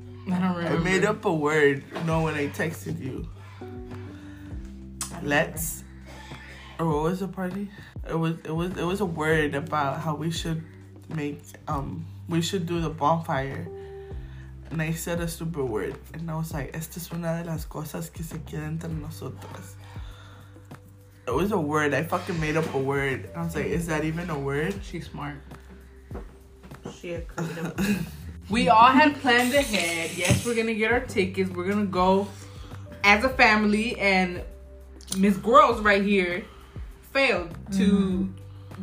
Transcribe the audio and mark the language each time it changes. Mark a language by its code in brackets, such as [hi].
[en] I don't remember. I made up a word. No, when I texted you. Let's. Or what was the party? It was a word about how we should make, we should do the bonfire. And I said a stupid word. And I was like, [es] esta es una de las cosas que se queda entre nosotras. [en] It was a word. I fucking made up a word. And I was like, is that even a word? She's smart. She a creative. We all had planned ahead. Yes, we're gonna get our tickets. We're gonna go as a family. And Miss Girls right here failed to, mm-hmm.